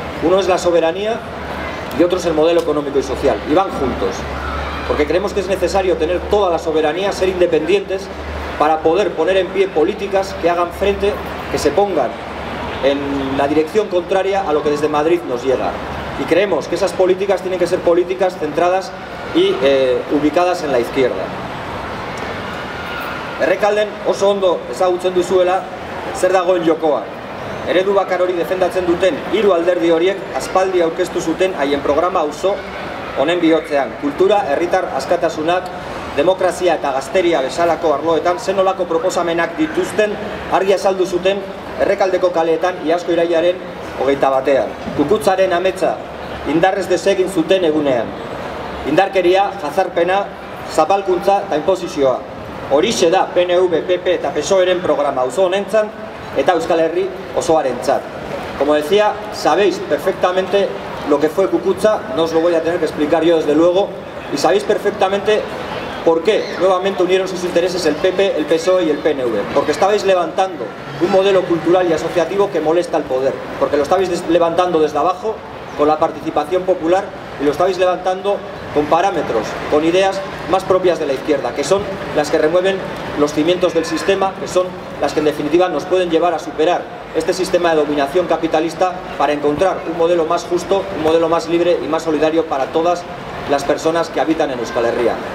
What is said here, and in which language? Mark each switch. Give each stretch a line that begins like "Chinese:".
Spanish: Uno es la soberanía y otro es el modelo económico y social, y van juntos, porque creemos que es necesario tener toda la soberanía, ser independientes, para poder poner en pie políticas que hagan frente, que se pongan en la dirección contraria a lo que desde Madrid nos llega. Y creemos que esas políticas tienen que ser políticas centradas y ubicadas en la izquierda.
Basque: Errekalden oso ondo ezagutzen duzuela zer dagoen jokoa. Eredu bakar hori defendatzen duten hiru alderdi horiek aspaldi aurkeztu zuten haien programa auzo honen bihotzean. Kultura, herritar askatasunak, demokrazia eta gazteria bezalako arloetan zen nolako proposamenak dituzten argi azaldu zuten Errekaldeko kaleetan iazko irailaren 21ean. Kukutzaren ametsa indarrez desegin zuten egunean. Indarkeria, jazarpena, zapalkuntza eta inposizioa. Horixe da PNV, PP eta PSOEren programa auzo honentzan eta Euskal Herri osoarentzat.
Spanish: Como decía, sabéis perfectamente lo que fue Cucuza, no os lo voy a tener que explicar yo desde luego, y sabéis perfectamente por qué nuevamente unieron sus intereses el PP, el PSOE y el PNV. Porque estabais levantando un modelo cultural y asociativo que molesta al poder, porque lo estabais levantando desde abajo con la participación popular, y lo estabais levantando con parámetros, con ideas más propias de la izquierda, que son las que remueven los cimientos del sistema, que son las que en definitiva nos pueden llevar a superar este sistema de dominación capitalista para encontrar un modelo más justo, un modelo más libre y más solidario para todas las personas que habitan en Euskal Herria.